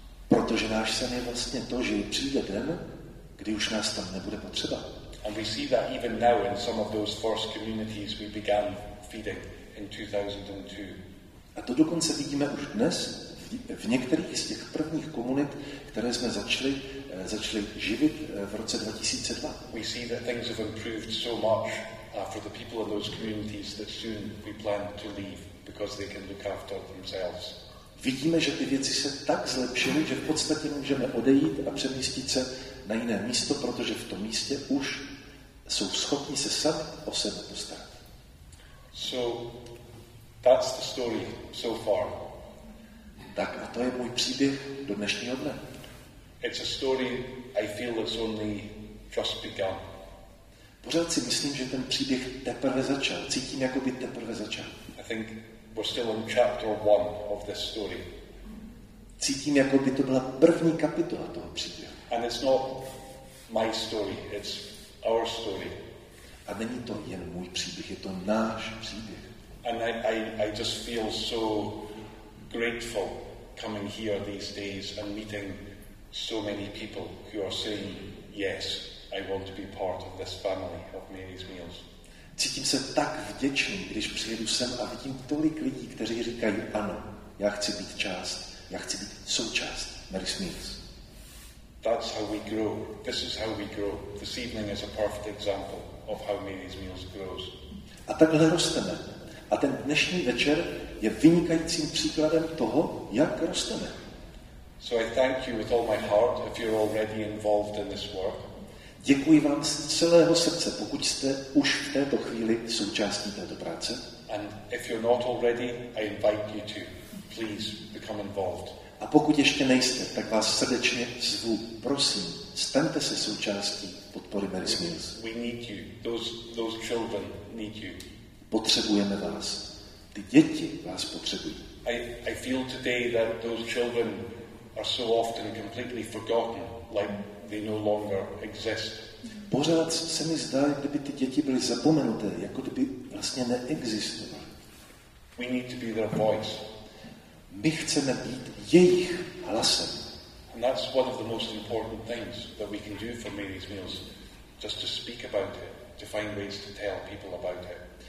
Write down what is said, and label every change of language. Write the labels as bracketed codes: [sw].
[cs] Protože náš sen je vlastně to, že přijde den, kdy už nás tam nebude potřeba. [en] And we see that even now in some of those first communities we began feeding in 2002. [cs] A to dokonce vidíme už dnes v některých z těch prvních komunit, které jsme začali živit v roce 2002. [en] We see that things have improved so much for the people in those communities that soon we plan to leave because they can look after themselves. [cs] Vidíme, že ty věci se tak zlepšily, že v podstatě můžeme odejít a přemístit se na jiné místo, protože v tom místě už jsou schopni se sami o sebe postarat. [en] So that's the story so far. [cs] Tak a to je můj příběh do dnešního dne. [en] It's a story I feel it's only just begun. [cs] Pořád si myslím, že ten příběh teprve začal. Cítím, jako by teprve začal. [en] I think we're still in chapter one of this story. [cs] Cítím, jako by to byla první kapitola toho příběhu. [en] And it's not my story, it's our story. [cs] A není to jen můj příběh, je to náš příběh. [en] And I just feel so grateful coming here these days and meeting so many people who are saying, yes, I want to be part of this family of Mary's Meals. [cs] Cítím se tak vděčný, když přijedu sem a vidím tolik lidí, kteří říkají ano, já chci být část, já chci být součást Mary's Meals. [en] That's how we grow. This is how we grow. This evening is a perfect example of how Mary's Meals grows. [cs] A takhle rosteme. A ten dnešní večer je vynikajícím příkladem toho, jak rosteme. [en] So I thank you with all my heart if you're already involved in this work. [cs] Děkuji vám z celého srdce, pokud jste už v této chvíli součástí této práce. [en] And if you're not already, I invite you to please become involved. [cs] A pokud ještě nejste, tak vás srdečně zvu, prosím, staňte se součástí podpory Mary's Meals. [en] We need you. Those children need you. [cs] Potřebujeme vás. Ty děti vás potřebují. [en] I feel today that those children are so often completely forgotten, like they no longer exist. [cs] Pořád se mi zdá, kdyby ty děti byly zapomenuté, jako kdyby vlastně neexistovaly. [en] We need to be their voice. [cs] My chceme být jejich hlasem. [en] And that's one of the most important things that we can do for Mary's Meals, just to speak about it, to find ways to tell people about it.